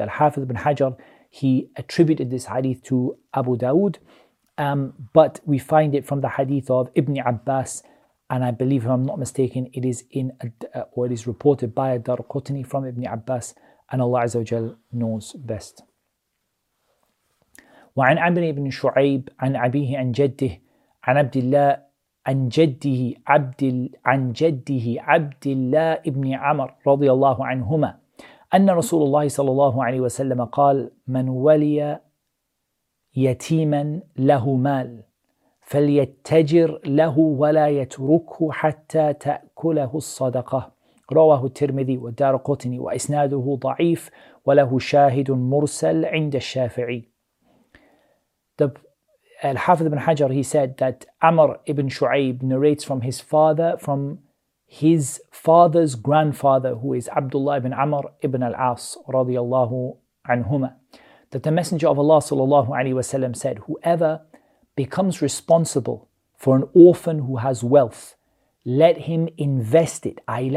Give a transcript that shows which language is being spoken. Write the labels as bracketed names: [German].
[English] Al-Hafiz ibn Hajar, he attributed this hadith to Abu Dawud, but we find it from the hadith of Ibn Abbas. And I believe, if I'm not mistaken, it is in or it is reported by Ad-Darqutni from Ibn Abbas, and Allah Azza wa Jal knows best. [Arabic] وعن عمرو بن شعيب عن أبيه عن جده عن عبد الله عن جده عبد عن جده عبد الله ابن عمر رضي الله عنهما أن رسول الله صلى الله عليه وسلم قال من ولي يتيما له مال فليتجر له ولا يتركه حتى تأكله الصدقة رواه الترمذي والدارقطني وإسناده ضعيف وله شاهد مرسل عند الشافعي. [English] Al-Hafiz ibn Hajar, he said that Amr ibn Shu'ayb narrates from his father, from his father's grandfather, who is Abdullah ibn Amr ibn al-As radiyallahu anhuma, that the Messenger of Allah sallallahu alayhi wasallam said, whoever becomes responsible for an orphan who has wealth, let him invest it, i.e.